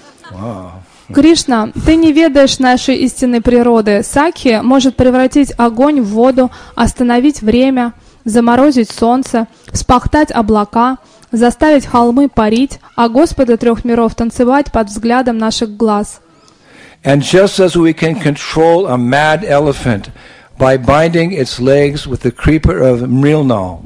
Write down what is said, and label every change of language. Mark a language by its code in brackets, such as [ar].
[en] Wow. [ru] Кришна, ты не ведаешь нашей истинной природы. Сакхи может превратить огонь в воду, остановить время, заморозить солнце, вспахтать облака, заставить холмы парить, а Господа трех миров танцевать под взглядом наших глаз. [en] And just as we can control a mad elephant by binding its legs with the creeper of Mrinal.